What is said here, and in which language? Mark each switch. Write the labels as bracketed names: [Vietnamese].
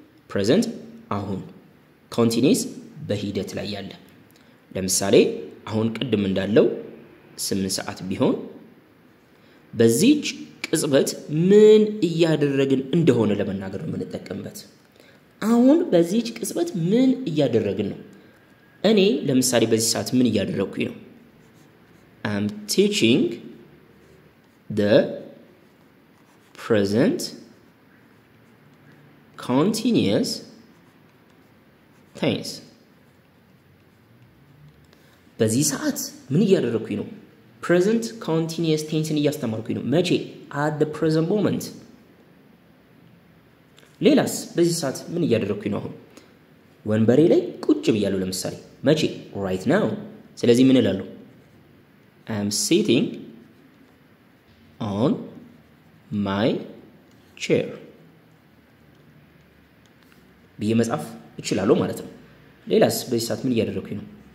[Amharic] present አሁን፣ continuous በሂደት ላይ ያለ። ለምሳሌ አሁን ቀድም እንዳለው 8 ሰዓት ቢሆን በዚህ ቅጽበት ምን እያደረግን እንደሆነ ለመናገር ነው የምንጠቀምበት። አሁን በዚህ ቅጽበት ምን እያደረግን ነው? እኔ ለምሳሌ በዚህ ሰዓት ምን እያደረግኩኝ ነው? [English] I'm teaching the present continuous tense. [Amharic] በዚህ ሰዓት ምን እያደረኩኝ ነው? present continuous tense እያስተማርኩኝ ነው። መቼ? [English] at the present moment። [Amharic] ሌላስ በዚህ ሰዓት ምን እያደረኩኝ ነው? አሁን ወንበሬ ላይ ቁጭ ብያለሁ ለምሳሌ። መቼ? [English] right now። [Amharic] ስለዚህ ምን እላለሁ? [English] I'm sitting on my chair [Amharic] ብዬ መጻፍ እችላለሁ ማለት ነው። ሌላስ በዚህ ሰዓት ምን እያደረኩኝ ነው?